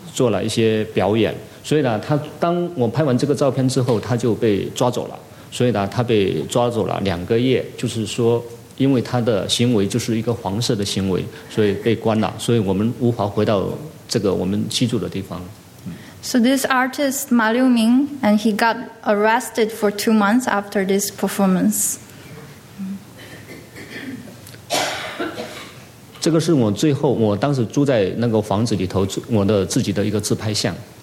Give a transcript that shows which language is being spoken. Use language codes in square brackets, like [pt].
[zh] 这个是另外一个艺术家，也是非常有名的艺术家，叫马宁明，他也是做了一些表演。所以呢，他当我拍完这个照片之后，他就被抓走了。所以呢，他被抓走了两个月，就是说，因为他的行为就是一个黄色的行为，所以被关了。所以我们无法回到这个我们居住的地方。So [en] this artist Ma Liuming, and he got arrested for 2 months after this performance. [zh] 这个是我最后，我当时住在那个房子里头，我的自己的一个自拍像。